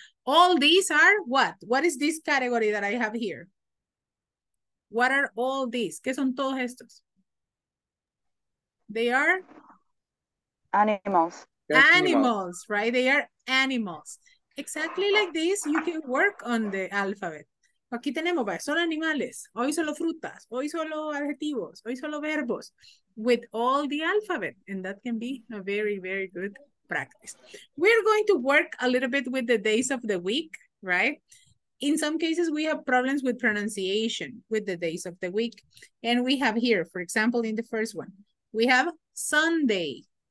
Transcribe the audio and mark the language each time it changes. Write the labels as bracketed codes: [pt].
[en] All these are what? What is this category that I have here? What are all these? [es] ¿Qué son todos estos? [en] They are? Animals. Animals, right? They are animals. Exactly like this, you can work on the alphabet. [es] Aquí tenemos, ¿vale? Solo animales, hoy solo frutas, hoy solo adjetivos, hoy solo verbos. [en] With all the alphabet, and that can be a very, very good practice. We're going to work a little bit with the days of the week, right? In some cases, we have problems with pronunciation with the days of the week. And we have here, for example, in the first one, we have Sunday.